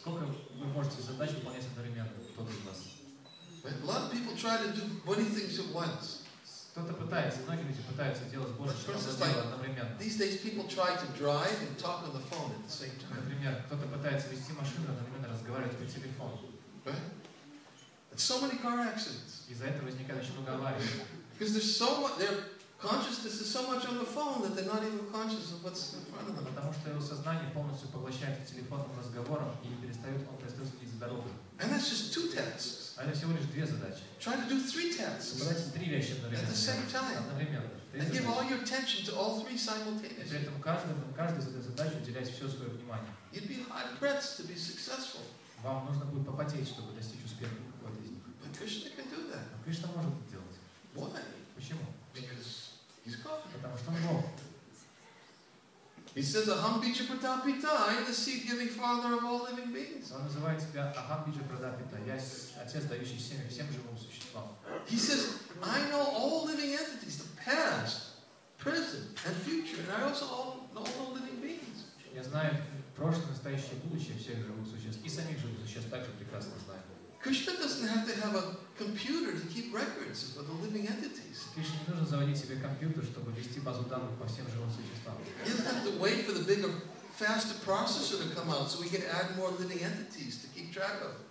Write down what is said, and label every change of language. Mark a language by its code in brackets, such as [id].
[ru] Сколько вы можете задач выполнять одновременно, кто-то из вас? [en] A lot of people try to do many things at once. [ru] Кто-то пытается, многие люди пытаются делать больше, чем [en] like, [ru] одновременно. [en] These days people try to drive and talk on the phone at the same time. [ru] Например, кто-то пытается вести машину, одновременно разговаривать по телефону. [en] And so many car accidents. [ru] Из-за этого возникает очень много аварий. [en] Because there's so much, their consciousness is so much on the phone that they're not even conscious of what's in front of them. [ru] Потому что его сознание полностью поглощается телефонным разговором и перестает, он перестает следить за дорогой. [en] And that's just two tasks. [ru] А это всего лишь две задачи. [en] Try to do three tasks. [ru] Собрать три вещи одновременно. [en] And give all your attention to all three simultaneously. [ru] При этом каждый из этой задач уделять все свое внимание. [en] It'd be hard breaths to be successful. [ru] Вам нужно будет попотеть, чтобы достичь успеха какого-то из них. [en] But Krishna can do that. [ru] Но Кришна может это делать. [en] Why? [ru] Почему? [en] Because he's God. [ru] Потому что он Бог. [en] He says, [sa] "Aham bija pradapita, [en] I am the seed-giving father of all living beings." [ru] Он называет себя [sa] Aham bija pradapita, [ru] я отец, дающий семя всем живым существам. [en] He says, "I know all living entities, the past, present, and future, and I also know all living beings." [ru] Я знаю прошлое, настоящее, будущее всех живых существ и самих живых существ также прекрасно знаю. [en] Krishna doesn't have to have a computer to keep records for the living entities. [ru] Кришне не нужно заводить себе компьютер, чтобы вести базу данных по всем живым существам. [en] He doesn't have to wait for the bigger, faster processor to come out so we can add more living entities to keep track of.